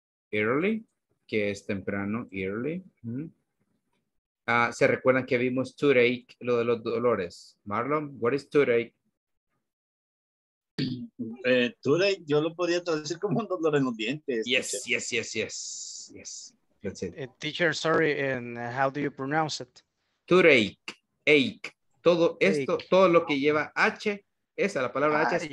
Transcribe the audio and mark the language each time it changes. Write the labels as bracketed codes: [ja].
[es] Early, que es temprano, early. ¿Se recuerdan que vimos toothache, lo de los dolores? [en] Marlon, what is toothache? [es] Toothache, yo lo podría traducir como un dolor en los dientes. [en] Yes, yes, yes, yes, yes. That's it. Teacher, sorry, and how do you pronounce it? [es] Toothache, ache. Todo esto, ache. Todo lo que lleva H, esa la palabra H es ache.